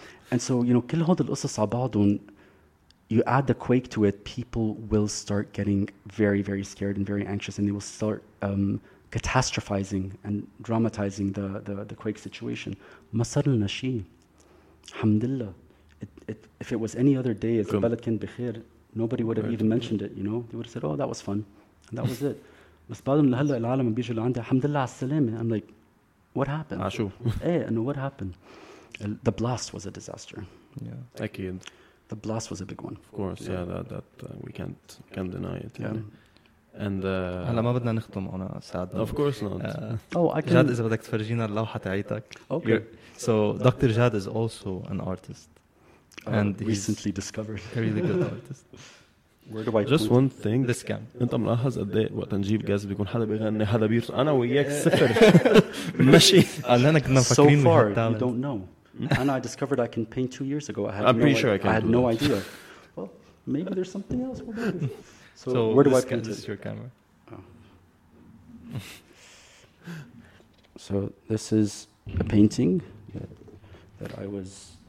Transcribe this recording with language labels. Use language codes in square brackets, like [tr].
[en] And so, you know, [ar] كل هود القصص على بعضهم, [en] you add the quake to it, people will start getting very, very scared and very anxious, and they will start catastrophizing and dramatizing the quake situation. [ar] ما صار لنا شيء, الحمد لله. [en] If it was any other day, as [ar] البلد كان بخير, [en] nobody would have even mentioned it, you know? They would have said, oh, that was fun. And that was it. [ar] بس بعدهم لهلا العالم بيجوا لعندي, الحمد لله على السلامة. [en] I'm like, what happened? [ar] عشو. [en] Hey, and what happened? The blast was a disaster. Yeah, أكيد. The blast was a big one. Of course, yeah, that we can't deny it. Yeah. And [ar] هلا ما بدنا نختم [en] on a sad note. Of course not. [ar] Jad, إذا بدك تفرجينا اللوحة تاعيتك. [en] Okay. So Dr. Jad is also an artist. And recently discovered. A really good artist. Where do I just one thing. This cam. [ar] أنت ملاحظ قد إيه وقت نجيب جاز بيكون حدا بيغني حدا بيرقص أنا وياك صفر. ماشي. [en] So far, you don't know. And I discovered I can paint 2 years ago. I'm pretty sure I can. I had no idea. Well, maybe there's something else. So where do I paint it? This is your camera. So this is a painting that I was...